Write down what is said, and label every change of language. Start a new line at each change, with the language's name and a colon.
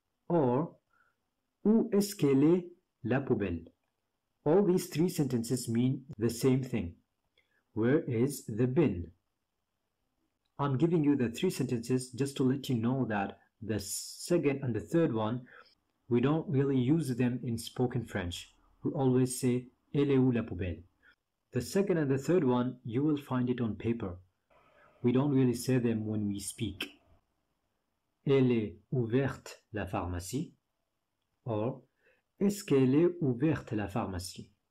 French: Or, où est-ce qu'elle est la poubelle?
English: All these three sentences mean the same thing. Where is the bin? I'm giving you the three sentences just to let you know that the second and the third one, we don't really use them in spoken French. We always say,
French: elle est où la poubelle?
English: The second and the third one, you will find it on paper. We don't really say them when we speak.
French: Elle est ouverte la pharmacie? Or, est-ce qu'elle est ouverte la pharmacie?